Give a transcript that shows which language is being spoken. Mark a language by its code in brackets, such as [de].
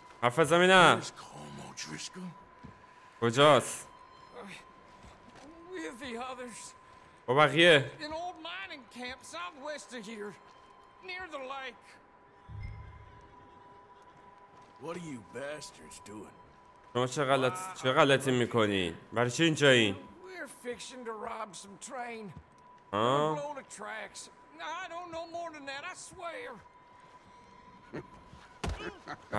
[en] Where's Colm now? Where's Colm O'Driscoll? Where's Joss? With the others. What about here? An old mining camp southwest of here, near the lake. What are you bastards doing? [fa] شما چه غلطی میکنین؟ برای چی اینجایین؟ [en] We're fixing to rob some train. Load of tracks. I don't know more than that, I swear.